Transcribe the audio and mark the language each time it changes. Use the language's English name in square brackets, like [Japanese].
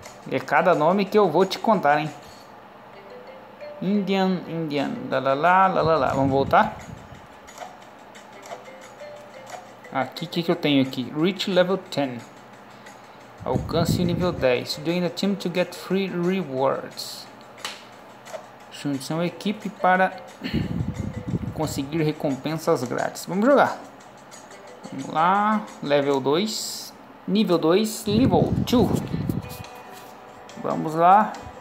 [Portuguese] É cada nome que eu vou te contar, hein. Indian, Indian, lalala, lalala. Vamos voltar. Aqui, o que, que eu tenho aqui? [English] Reach level 10. [Portuguese] Alcance nível 10. [English] Join a team to get free rewards. [Portuguese] Junte-se a uma equipe para conseguir recompensas grátis. Vamos jogar. Vamos lá. Level 2. Nível 2. Level 2. Vamos lá.